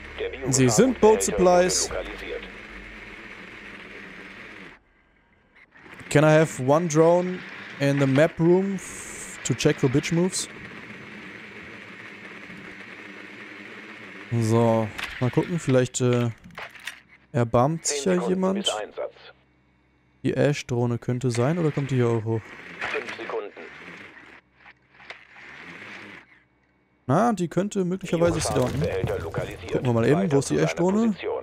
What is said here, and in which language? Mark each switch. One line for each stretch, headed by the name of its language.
German: Der sie sind Boat Supplies.
English: Can I have one drone in the map room to check for bitch moves?
German: So, mal gucken, vielleicht erbarmt sich ja jemand. Die Ash-Drohne könnte sein, oder kommt die hier auch hoch? 5 Sekunden. Na, die könnte möglicherweise stunten. Gucken wir mal eben, wo ist die Ash-Drohne?